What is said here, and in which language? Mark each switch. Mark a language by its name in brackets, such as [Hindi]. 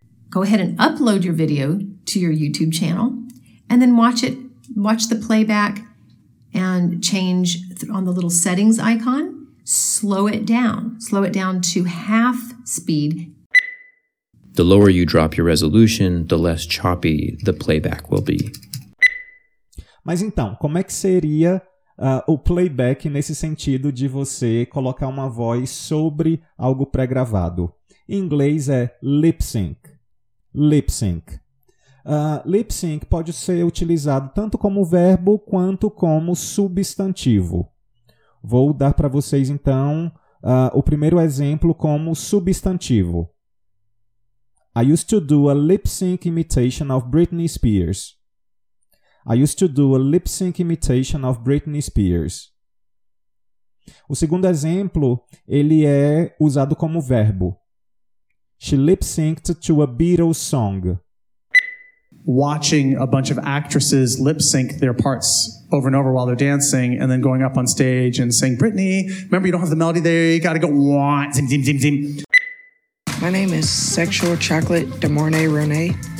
[English] Go ahead and upload your video to your YouTube channel and then watch it. Watch the playback and change on the little settings icon. Slow it down. Slow it down to half speed. The lower you drop your resolution, the less choppy the playback will be. [Portuguese] Mas então, como é que seria o playback nesse sentido de você colocar uma voz sobre algo pré-gravado? Em inglês é lip sync. Lip sync. Lip sync pode ser utilizado tanto como verbo quanto como substantivo. Vou dar para vocês, então, o primeiro exemplo como substantivo. [English] I used to do a lip sync imitation of Britney Spears. I used to do a lip sync imitation of Britney Spears. [Portuguese] O segundo exemplo, ele é usado como verbo. [English] She lip synced to a Beatles song. Watching a bunch of actresses lip-sync their parts over and over while they're dancing and then going up on stage and saying, Britney, remember you don't have the melody there, you gotta go wah, zim, zim, zim, zim. My name is Sexual Chocolate de Mornay Renee.